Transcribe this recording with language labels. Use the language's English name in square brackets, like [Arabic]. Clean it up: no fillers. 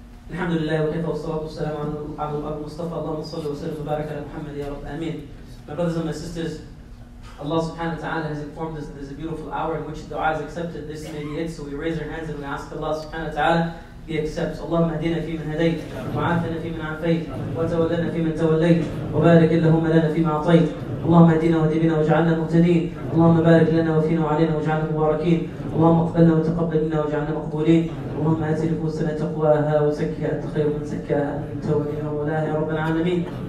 [Arabic] الحمد لله وكفى والصلاة والسلام على عبد الله المصطفى اللهم صل وسلم وبارك على محمد يا رب آمين. [English] My brothers and my sisters, Allah subhanahu wa ta'ala has informed us that there's a beautiful hour in which dua is accepted. This may be it, so we raise our hands and we ask Allah subhanahu wa ta'ala he accepts. [Arabic] اللهم اهدنا فيمن هديت وعافنا فيمن عافيت وتولنا فيمن توليت وبارك اللهم لنا فيما اعطيت. اللهم اهدنا واهد بنا واجعلنا مهتدين. اللهم بارك لنا وفينا وعلينا واجعلنا مباركين. اللهم اقبلنا وتقبل منا واجعلنا مقبولين. اللهم هات نفوسنا تقواها وزكها انت خير من زكاها انت وليها مولاها يا رب العالمين.